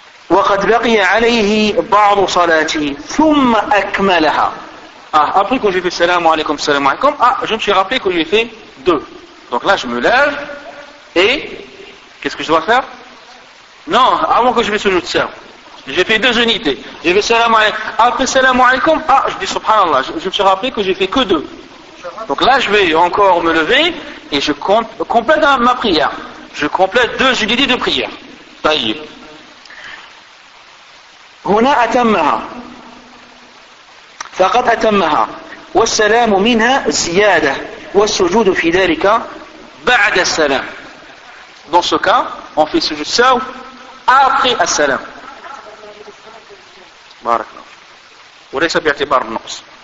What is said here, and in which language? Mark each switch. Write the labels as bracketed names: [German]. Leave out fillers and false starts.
[Arabic] وقد بقي عليه بعض صلاته ثم أكملها. [French] Après que j'ai fait salam alaikum, je me suis rappelé que j'ai fait 2. Donc là, je me lève et qu'est-ce que je dois faire? Non, avant que je fasse le sujoud, j'ai fait 2 unités. J'ai fait salam alaikum. Après salam alaikum, je dis subhanallah, je me suis rappelé que j'ai fait que 2. Donc là, je vais encore me lever et je complète ma prière. Je complète 2 unités de prière. Taïe. [Arabic] هنا أتمها فقد أتمها والسلام منها زيادة والسجود في ذلك بعد السلام. [French] Dans ce cas, on fait le sujoud sawr après السلام. [Arabic] بارك الله. وليس باعتبار النقص.